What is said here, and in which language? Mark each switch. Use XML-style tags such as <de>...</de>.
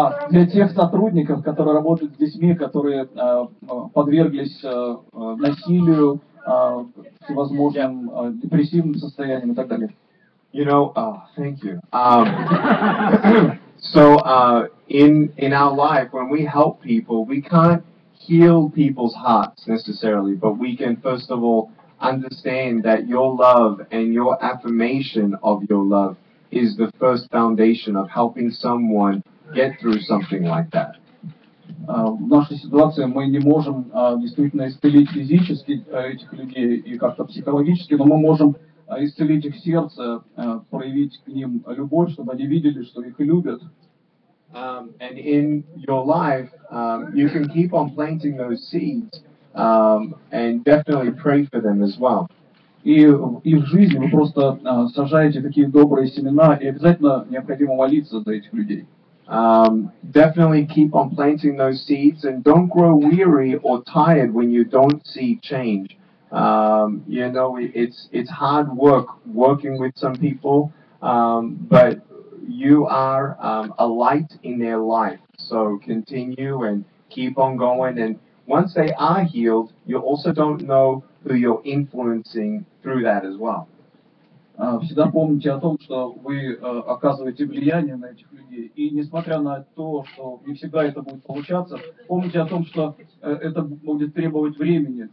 <ru>Для тех сотрудников, которые работают с детьми, которые подверглись насилию, всевозможным депрессивным состояниям и так далее.</ru> <en>You know, thank you. So in our life, when we help people, we can't heal people's hearts necessarily, but we can first of all understand that your love and your affirmation of your love is the first foundation of helping someone get through something like that.</en> <ru>В нашей ситуации мы не можем действительно исцелить физически этих людей и как-то психологически, но мы можем исцелить их сердце, проявить к ним любовь, чтобы они видели, что их любят.</ru> <en>And in your life, you can keep on planting those seeds, and definitely pray for them as well.</en> <ru>И в жизни вы просто сажаете такие добрые семена, и обязательно необходимо молиться за этих людей.</ru> <en>Definitely keep on planting those seeds, and don't grow weary or tired when you don't see change. You know, it's hard work working with some people, but you are a light in their life. So continue and keep on going. And once they are healed, you also don't know who you're influencing through that as well.</en> <ru>Всегда помните о том, что вы оказываете влияние на этих людей, и несмотря на то, что не всегда это будет получаться, помните о том, что это будет требовать времени.</ru>